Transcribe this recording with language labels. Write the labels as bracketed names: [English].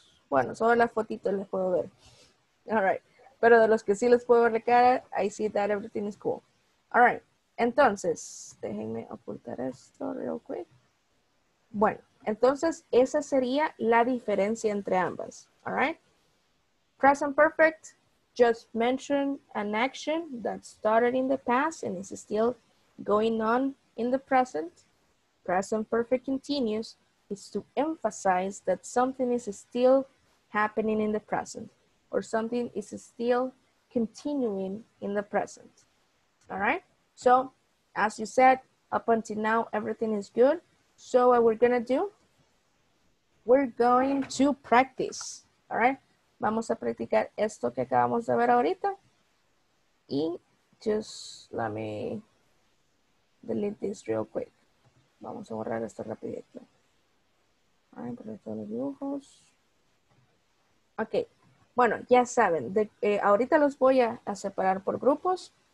[Spanish] Bueno, solo las fotitos les puedo ver. [English] All right. [Spanish] Pero de los que sí les puedo ver la cara, [English] I see that everything is cool. All right. [Spanish] Entonces, déjenme ocultar esto [English] real quick. [Spanish] Bueno, entonces esa sería la diferencia entre ambas. [English] All right. Present perfect. Just mention an action that started in the past and is still going on in the present. Present perfect continuous is to emphasize that something is still happening in the present or something is still continuing in the present. All right? So, as you said, up until now, everything is good. So what we're gonna do, we're going to practice. All right? [Spanish] Vamos a practicar esto que acabamos de ver ahorita. [English] Y just let me delete this real quick. [Spanish] Vamos a borrar esto rapidito. Ay, por esto los dibujos. Ok. Bueno, ya saben. Ahorita los voy a separar por grupos.